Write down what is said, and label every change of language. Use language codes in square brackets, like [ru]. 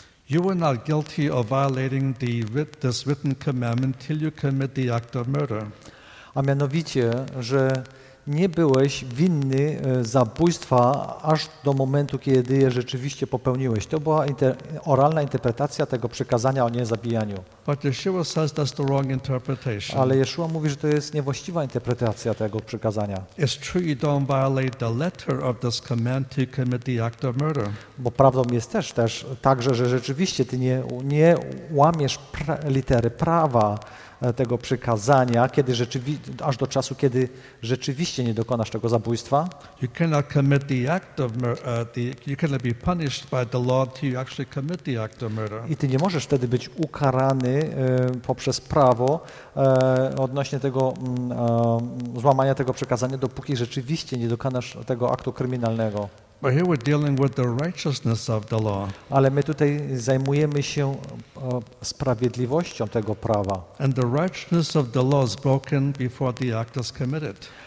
[en] You were not guilty of violating this written commandment till you commit the act of murder. [pl] A mianowicie, że nie byłeś winny zabójstwa aż do momentu, kiedy je rzeczywiście popełniłeś. To była oralna interpretacja tego przykazania o niezabijaniu. [en] But Yeshua says that's the wrong interpretation. [pl] Ale Yeshua mówi, że to jest niewłaściwa interpretacja tego przykazania. [en] It's true you don't violate the letter of this command to commit the act of murder. [pl] Bo prawdą jest też także, że rzeczywiście ty nie łamiesz litery prawa, tego przykazania, kiedy aż do czasu, kiedy rzeczywiście nie dokonasz tego zabójstwa. [en] You cannot commit the act of you cannot be punished by the law until you actually commit the act of murder. [pl] I ty nie możesz wtedy być ukarany poprzez prawo odnośnie tego złamania tego przykazania, dopóki rzeczywiście nie dokonasz tego aktu kryminalnego. [en] But here we're dealing with the righteousness of the law. [pl] Ale my tutaj zajmujemy się sprawiedliwością tego prawa. [en] And the righteousness of the law is broken before the act is committed.